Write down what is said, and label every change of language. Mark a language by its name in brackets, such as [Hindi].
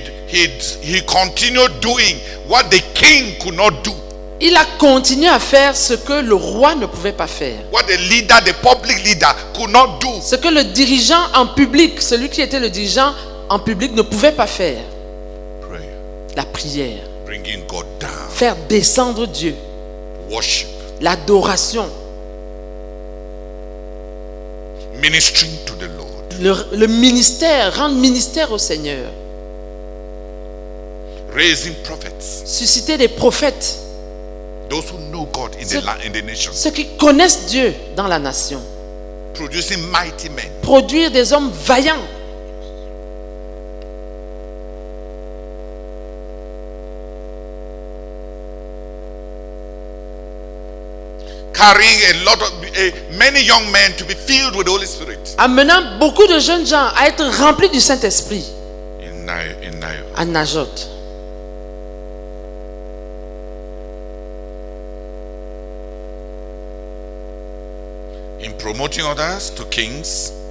[English] He continued doing what the king could not do. [French] Il a continué à faire ce que le roi ne pouvait pas faire. [English] What the leader, the public leader, could not do. [French] Ce que le dirigeant en public, celui qui était le dirigeant en public, ne pouvait pas faire. [English] Prayer. [French] La prière. [English] Bringing God down. [French] Faire descendre Dieu. [English] Worship. [French] L'adoration. [English] Ministering to the Lord. [French] Le ministère, rendre ministère au Seigneur. [English] Raising prophets. [French] Susciter des prophètes. [English] Those who know God in the nation. [French] Ceux qui connaissent Dieu dans la nation. [English] Producing mighty men. [French] Produire des hommes vaillants. [English] Carrying many young men to be filled with the Holy Spirit. [French] Amenant beaucoup de jeunes gens à être remplis du Saint-Esprit. [English] In Najoth. [French] À Najoth. [English] In promoting others to kings.